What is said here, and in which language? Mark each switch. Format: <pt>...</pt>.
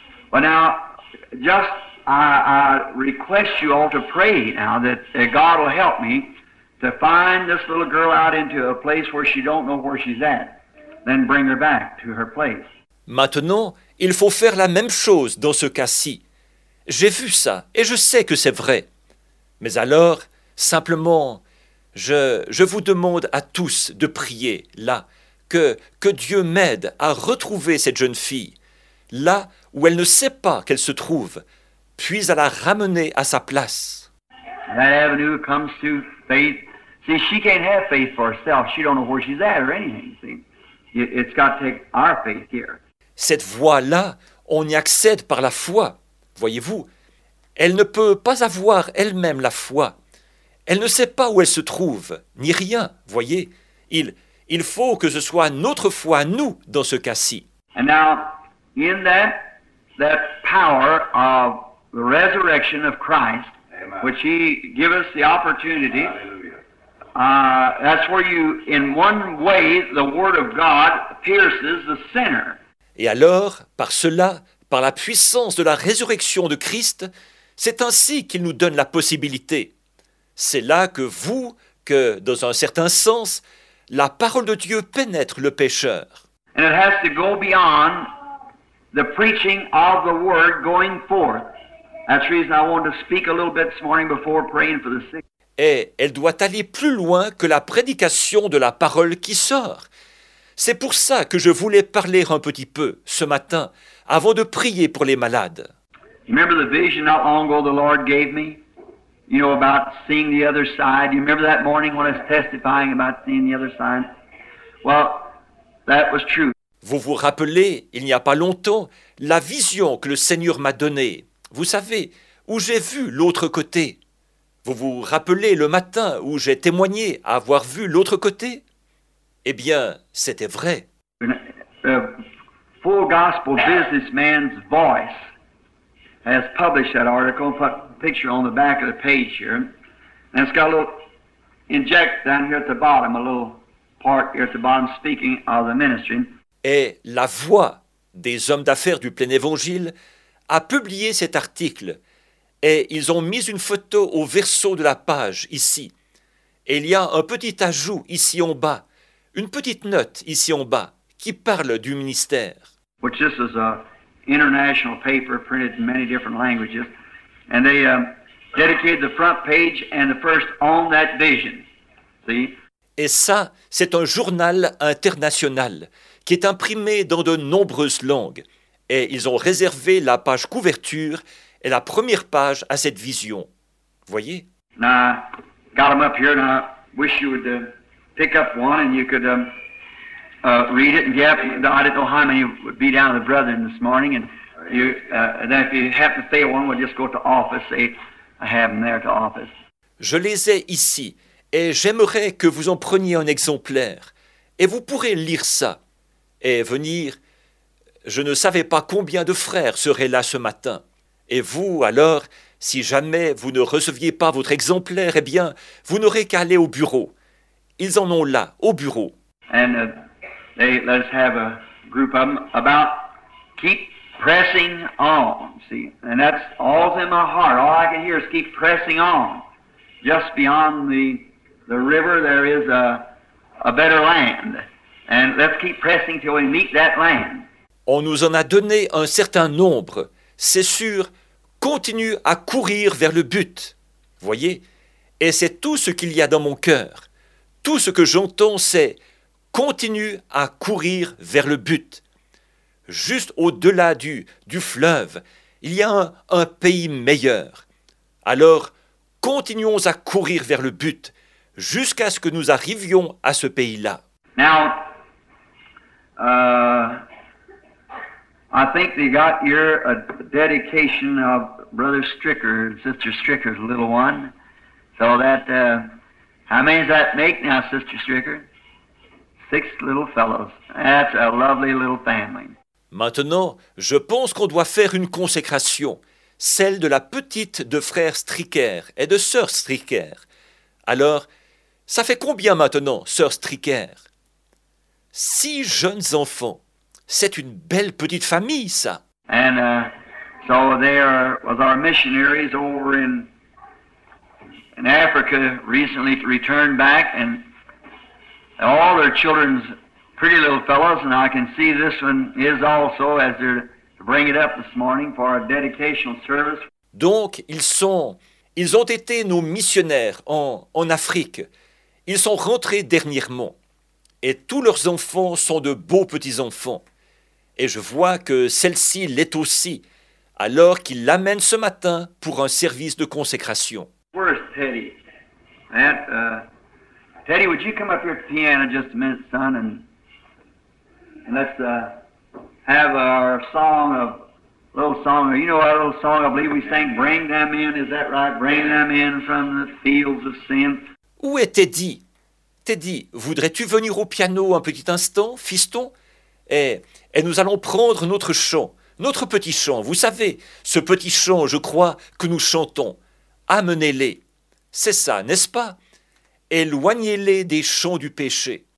<en>But now, just I request you all to pray now that God will help me to find this little girl out into a place where she don't know where she's at, then bring her back to her place.</en> <fr>Maintenant, il faut faire la même chose dans ce cas-ci. J'ai vu ça, et je sais que c'est vrai. Mais alors, simplement, je vous demande à tous de prier là. Que Dieu m'aide à retrouver cette jeune fille, là où elle ne sait pas qu'elle se trouve, puis à la ramener à sa place.</fr> <en>That avenue comes to faith. See, she can't have faith for herself. She don't know where she's at or anything. See, it's got to take our faith here.</en> <fr>Cette voie-là, on y accède par la foi. Voyez-vous, elle ne peut pas avoir elle-même la foi. Elle ne sait pas où elle se trouve, ni rien. Voyez, il faut que ce soit notre foi, nous, dans ce cas-ci.</fr> <en>And now, in that power of the resurrection of Christ, amen, which he gives us the opportunity, hallelujah, That's where you, in one way, the word of God pierces the sinner.</en> <fr>Et alors, par cela, par la puissance de la résurrection de Christ, c'est ainsi qu'il nous donne la possibilité. C'est là que vous, que, dans un certain sens, la parole de Dieu pénètre le pécheur.</fr> <en>And it has to go beyond the preaching of the word going forth. That's the reason I wanted to speak a little bit this morning before praying for the sick.</en> <fr>Et elle doit aller plus loin que la prédication de la parole qui sort. C'est pour ça que je voulais parler un petit peu ce matin, avant de prier pour les malades.</fr> <en>Remember the vision not long ago the Lord gave me? You know, about seeing the other side. You remember that morning when I was testifying about seeing the other side? Well, that was true.</en> <fr>Vous vous rappelez, il n'y a pas longtemps, la vision que le Seigneur m'a donnée. Vous savez, où j'ai vu l'autre côté. Vous vous rappelez le matin où j'ai témoigné avoir vu l'autre côté? Eh bien, c'était vrai.</fr> <en>A full gospel businessman's voice has published that article, put a picture on the back of the page here. And it's got a little inject down here at the bottom, a little part here at the bottom speaking of the ministry.</en> <fr>Et la voix des hommes d'affaires du plein évangile a publié cet article. Et ils ont mis une photo au verso de la page, ici. Et il y a un petit ajout ici en bas, une petite note ici en bas, qui parle du ministère.</fr> <en>Which this is an international paper printed in many different languages. And they dedicated the front page and the first on that vision. See?</en> <fr>Et ça, c'est un journal international qui est imprimé dans de nombreuses langues. Et ils ont réservé la page couverture et la première page à cette vision. Voyez.</fr> <en>Now, I got them up here, and I wish you would pick up one, and you could read it. And yep, I don't know how many would be down to the brethren this morning, and you, then if you happen to stay one, we'll just go to office. Say, I have them there to office.</en> <fr>Je les ai ici, et j'aimerais que vous en preniez un exemplaire, et vous pourrez lire ça, et venir. Je ne savais pas combien de frères seraient là ce matin. Et vous, alors, si jamais vous ne receviez pas votre exemplaire, eh bien, vous n'aurez qu'à aller au bureau. Ils en ont là, au bureau.</fr> <en>And they let us have a group of them about keep pressing on, see. And that's all's in my heart. All I can hear is keep pressing on. Just beyond the river there is a better land. And let's keep pressing till we meet that land.</en> <fr>On nous en a donné un certain nombre. C'est sûr, continue à courir vers le but. Voyez, et c'est tout ce qu'il y a dans mon cœur. Tout ce que j'entends, c'est continue à courir vers le but. Juste au-delà du fleuve, il y a un pays meilleur. Alors, continuons à courir vers le but, jusqu'à ce que nous arrivions à ce pays-là.</fr> <en>Now, I think they got your dedication of Brother Stricker, Sister Stricker's little one. So that, how many does that make now, Sister Stricker? Six little fellows. That's a lovely little family.</en> <fr>Maintenant, je pense qu'on doit faire une consécration, celle de la petite de frère Stricker et de sœur Stricker. Alors, ça fait combien maintenant, sœur Stricker? Six jeunes enfants. C'est une belle petite famille, ça.</fr> <en>And so there was our missionaries over in Africa recently to return back, and all their children's pretty little fellows, and I can see this one is also as they're to bring it up this morning for our dedicational service.</en> <fr>Donc ils ont été nos missionnaires en Afrique. Ils sont rentrés dernièrement, et tous leurs enfants sont de beaux petits enfants. Et je vois que celle-ci l'est aussi, alors qu'il l'amène ce matin pour un service de consécration.</fr> <en>Where's Teddy? Aunt, Teddy, would you come up here to the piano just a minute, son, and let's have our song of little song. You know our little song I believe we sang, Bring Them In, is that right? Bring them in from the fields of sin.</en> <fr>Où est Teddy? Teddy, voudrais-tu venir au piano un petit instant, fiston? Et nous allons prendre notre chant, notre petit chant. Vous savez, ce petit chant, je crois, que nous chantons. Amenez-les. C'est ça, n'est-ce pas? Éloignez-les des champs du péché.</fr>